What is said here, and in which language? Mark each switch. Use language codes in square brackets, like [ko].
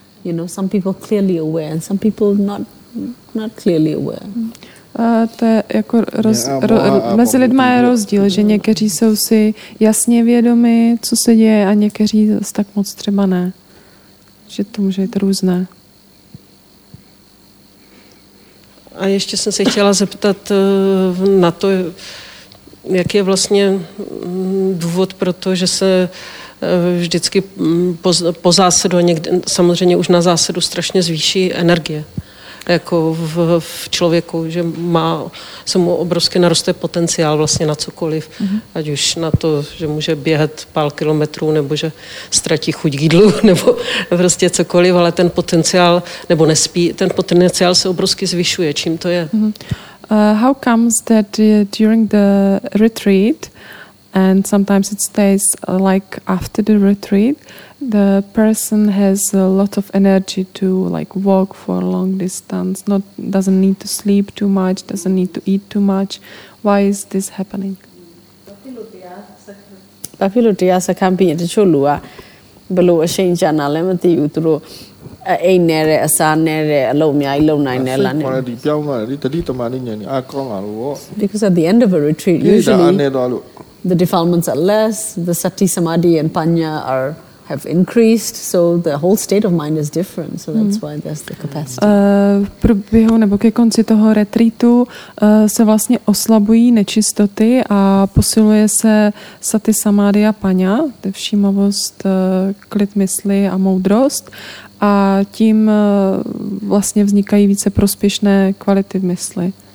[en] You know, some people clearly aware and some people not clearly aware. [cs] To je jako mezi lidma je rozdíl, že někteří jsou si jasně vědomi, co se děje, a někteří tak moc třeba ne. Že to může být různé. A ještě jsem se chtěla zeptat na to, jaký je vlastně důvod pro to, že se vždycky po zásadu, někde, samozřejmě už na zásadu strašně zvýší energie jako v člověku, že má, se mu obrovsky naroste potenciál vlastně na cokoliv, ať už na to, že může běhat pár kilometrů, nebo že ztratí chuť k jídlu, nebo prostě cokoliv, ale ten potenciál, nebo nespí, ten potenciál se obrovsky zvyšuje, čím to je. [en] How comes that during the retreat, and sometimes it stays like after the retreat, the person has a lot of energy to like walk for a long distance, doesn't need to sleep too much, doesn't need to eat too much. Why is this happening? Because at the end of a retreat, usually the defilements are less, the sati samadhi and panya are have increased, so the whole state of mind is different. So that's why there's the capacity. [cs] V průběhu nebo ke konci toho retreatu se vlastně oslabují nečistoty a posiluje se sati samády a paňa, všímavost, klid mysli a moudrost. A tím vlastně vznikají více prospěšné kvality v mysli.